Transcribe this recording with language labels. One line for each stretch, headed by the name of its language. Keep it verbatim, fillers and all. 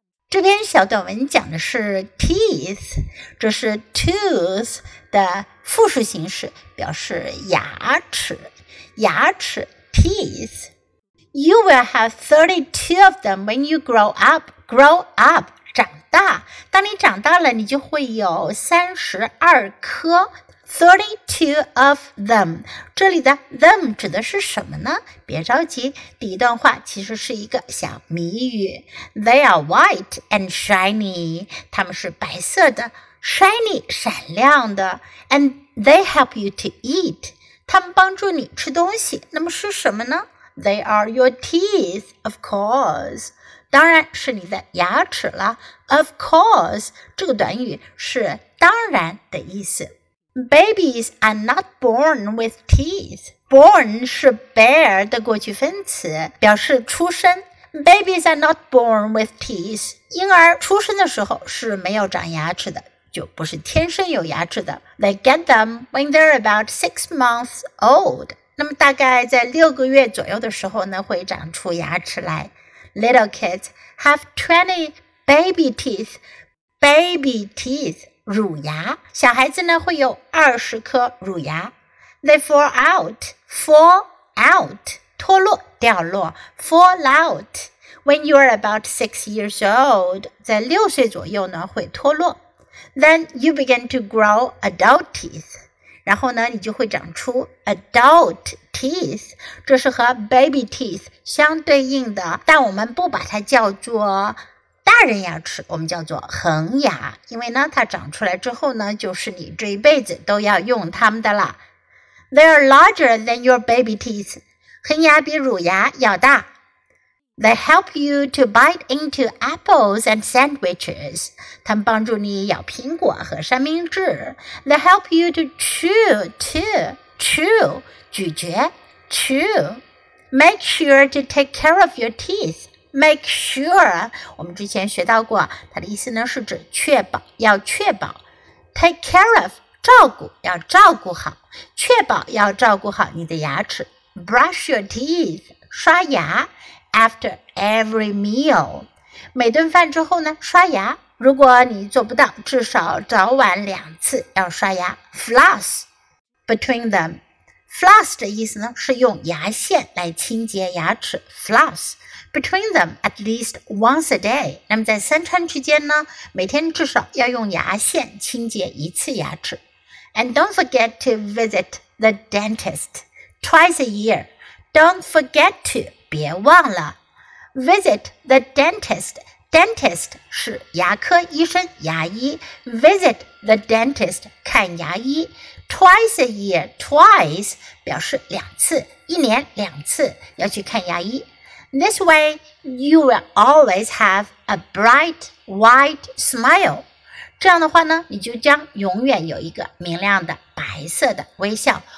Chinese: 这篇小短文讲的是 teeth， 这是 tooth 的复数形式，表示牙齿。牙齿 teeth。
English: You will have thirty-two of them when you grow up. Grow up， 长大。
Chinese: 当你长大了，你就会有三十二颗。
English: thirty-two of them，
Chinese: 这里的 them 指的是什么呢？别着急，第一段话其实是一个小谜语。
English: They are white and shiny，
Chinese: 它们是白色的
English: ，shiny
Chinese: 闪亮的
English: ，and they help you to eat，
Chinese: 它们帮助你吃东西。那么是什么呢？
English: They are your teeth, of course.
Chinese: 当然是你的牙齿了。
English: Of course,
Chinese: 这个短语是当然的意思。
English: Babies are not born with teeth. Born 是 bear
Chinese: 的过去分词，表示出生。
English: Babies are not born with teeth.
Chinese: 婴儿出生的时候是没有长牙齿的，就不是天生有牙齿的。
English: They get them when they're about six months old.
Chinese: 那么大概在六个月左右的时候呢，会长出牙齿来。
English: Little kids have twenty baby teeth. Baby teeth
Chinese: 乳牙，小孩子呢会有二十颗乳牙。
English: They fall out, fall out
Chinese: 脱落、掉落
English: ，fall out when you are about six years old.
Chinese: 在六岁左右呢会脱落。
English: Then you begin to grow adult teeth.
Chinese: 然后呢，你就会长出
English: adult teeth，
Chinese: 这是和
English: baby teeth
Chinese: 相对应的，但我们不把它叫做大人牙齿，我们叫做恒牙，因为呢，它长出来之后呢，就是你这一辈子都要用它们的啦。
English: They are larger than your baby teeth，
Chinese: 恒牙比乳牙要大。
English: They help you to bite into apples and sandwiches.
Chinese: 他们帮助你咬苹果和三明治。
English: They help you to chew, too. Chew,
Chinese: 咀嚼
English: chew. Make sure to take care of your teeth. Make sure.
Chinese: 我们之前学到过，它的意思呢是指确保，要确保。
English: Take care of,
Chinese: 照顾，要照顾好，确保要照顾好你的牙齿。
English: Brush your teeth,
Chinese: 刷牙。
English: After every meal,
Chinese: 每顿饭之后呢，刷牙。如果你做不到，至少早晚两次要刷牙。
English: Floss between them.
Chinese: Floss 的意思呢，是用牙线来清洁牙齿。
English: Floss between them at least once a day.
Chinese: 那么在三餐之间呢，每天至少要用牙线清洁一次牙齿。
English: And don't forget to visit the dentist twice a year. Don't forget to.
Chinese: 别忘了
English: visit the dentist.
Chinese: Dentist 是牙科医生，牙医。
English: Visit the dentist
Chinese: 看牙医。
English: Twice a year,
Chinese: twice 表示两次，一年两次要去看牙医。
English: This way, you will always have a bright, white smile.
Chinese: 这样的话呢，你就将永远有一个明亮的白色的微笑。